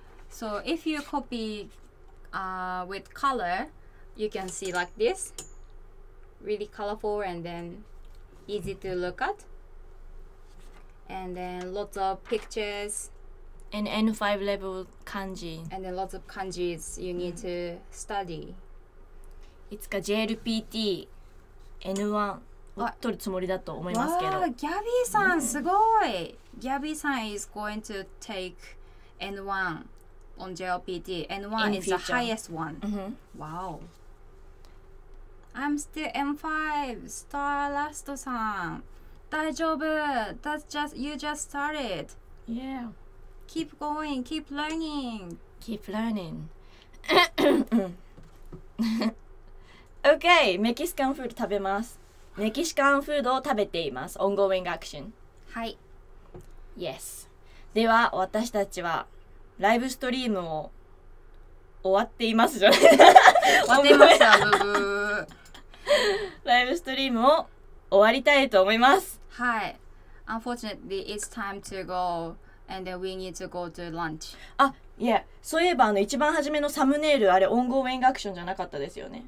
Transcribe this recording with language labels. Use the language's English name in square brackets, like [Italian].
[English] So if you copy with color, you can see like this. Really colorful and then easy to look at. And then lots of pictures. And N5 level kanji. And then lots of kanjis you need to study. It's a JLPT. [Japanese] N1 を取るつもりだと思いますけど。ギャビーさんすごい。 [English] ギャビーさん is going to take N1 on JLPT. N1 is the highest one. Wow. I'm still N5. Star Last さん、 [Japanese] 大丈夫。 [English] That's just you just started. Yeah. Keep going. Keep learning. Keep learning. [Japanese] Okay, メキシカンフード食べます。メキシカンフードを食べています。 [English] Ongoing action. [Japanese] はい。 [English] Yes. [Japanese] では、私たちはライブストリームを終わっていますじゃない。終わっていました。ライブストリームを終わりたいと思います。はい。 [English] Unfortunately, it's time to go and then we need to go to lunch. Yeah. [Japanese] そういえば一番初めのサムネイル、あれオンゴーウェイングアクションじゃなかったですよね。